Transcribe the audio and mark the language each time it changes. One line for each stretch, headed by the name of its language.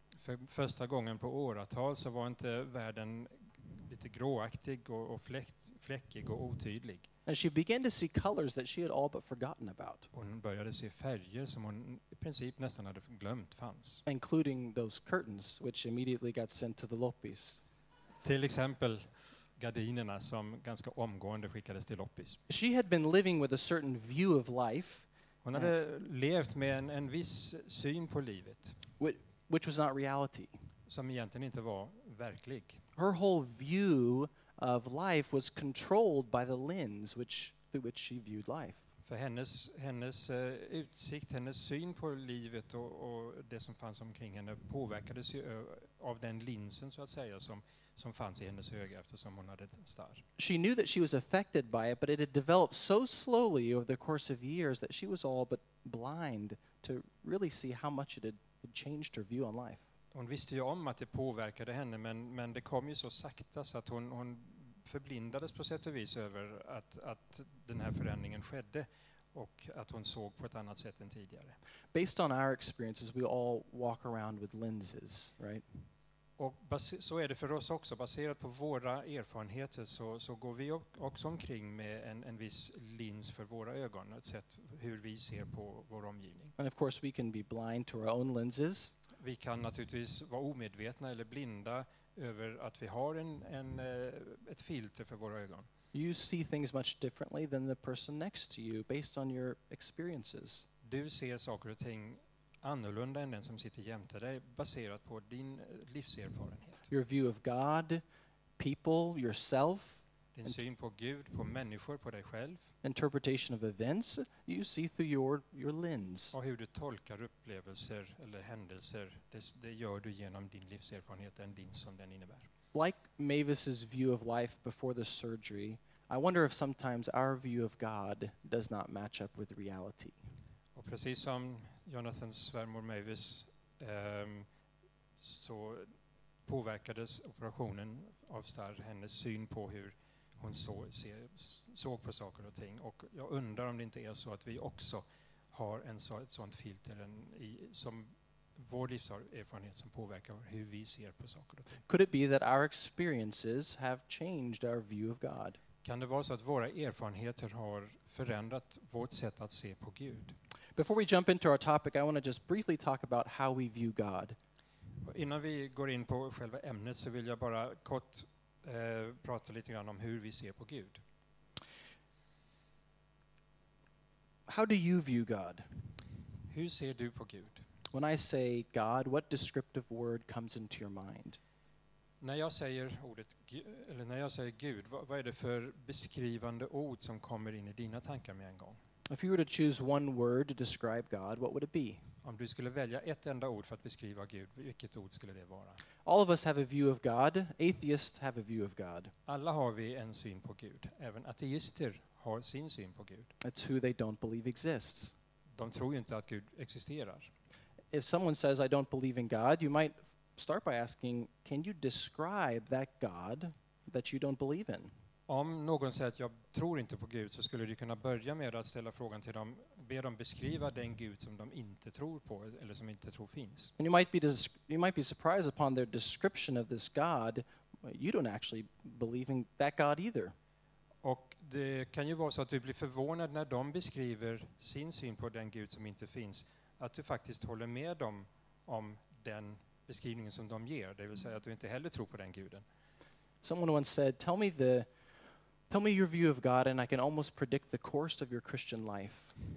Swedish: För första gången på åratal så var inte världen lite gråaktig och fläckig och otydlig.
English: And she began to see colors that she had all but forgotten about.
Swedish: Hon började se färger som hon i princip nästan hade glömt fanns.
English: Including those curtains which immediately got sent to the loppis.
Swedish: Till exempel gardinerna som ganska omgående skickades till loppis.
English: She had been living with a certain view of life.
Swedish: Hon hade levt med en viss syn på livet.
English: Which was not reality.
Swedish: Som egentligen inte var verklig.
English: Her whole view of life was controlled by the lens through which she viewed life.
Swedish: För hennes utsikt, hennes syn på livet och det som fanns omkring henne påverkades ju av den linsen så att säga som fanns i hennes öga eftersom hon hade starr.
English: She knew that she was affected by it, but it had developed so slowly over the course of years that she was all but blind to really see how much it had changed her view on life.
Swedish: Hon visste ju om att det påverkade henne, men det kom ju så sakta så att hon förblindades på sätt och vis över att den här förändringen skedde och att hon såg på ett annat sätt än tidigare.
English: Based on our experiences, we all walk around with lenses, right?
Swedish: Och så är det för oss också. Baserat på våra erfarenheter så går vi också omkring med en viss lins för våra ögon, ett sätt hur vi ser på vår omgivning.
English: And of course we can be blind to our own lenses.
Swedish: Vi kan naturligtvis vara omedvetna eller blinda över att vi har ett filter för våra ögon.
English: You see things much differently than the person next to you based on your experiences.
Swedish: Du ser saker och ting annorlunda än den som sitter jämte dig baserat på din livserfarenhet.
English: Your view of God, people, yourself.
Swedish: Din syn på Gud, på människor, på dig själv.
English: Interpretation of events you see through your lens.
Swedish: Och hur du tolkar upplevelser eller händelser, det gör du genom din livserfarenhet, än din som den innebär.
English: Like Mavis's view of life before the surgery, I wonder if sometimes our view of God does not match up with reality.
Swedish: Och precis som Jonathans svärmor Mavis så påverkades operationen av Star hennes syn på hur hon såg på saker och ting. Och jag undrar om det inte är så att vi också har ett sånt filter som vår livserfarenhet som påverkar hur vi ser på saker och ting.
English: Could it be that our experiences have changed our view of God?
Swedish: Kan det vara så att våra erfarenheter har förändrat vårt sätt att se på Gud?
English: Before we jump into our topic, I want to just briefly talk about how we view God.
Swedish: Innan vi går in på själva ämnet så vill jag bara kort prata lite grann om hur vi ser på Gud.
English: How do you view God?
Swedish: Hur ser du på Gud?
English: When I say God, what descriptive word comes into your mind?
Swedish: När jag säger ordet eller när jag säger Gud, vad är det för beskrivande ord som kommer in i dina tankar med en gång?
English: If you were to choose one word to describe God, what would it be?
Swedish: Om du skulle välja ett enda ord för att beskriva Gud, vilket ord skulle det vara?
English: All of us have a view of God. Atheists have a view of God.
Swedish: Alla har vi en syn på Gud. Även ateister har sin syn på Gud.
English: It's who they don't believe exists.
Swedish: De tror ju inte att Gud existerar.
English: If someone says I don't believe in God, you might start by asking, can you describe that God that you don't believe in?
Swedish: Om någon säger att jag tror inte på Gud, så skulle du kunna börja med att ställa frågan till dem, be dem beskriva den Gud som de inte tror på eller som inte tror finns.
English: And you might be surprised upon their description of this God. You don't actually believe in that God either.
Swedish: Och det kan ju vara så att du blir förvånad när de beskriver sin syn på den Gud som inte finns, att du faktiskt håller med dem om den beskrivningen som de ger, det vill säga att du inte heller tror på den guden.
English: Someone once said, tell me your view of God and I can almost predict the course of your Christian life.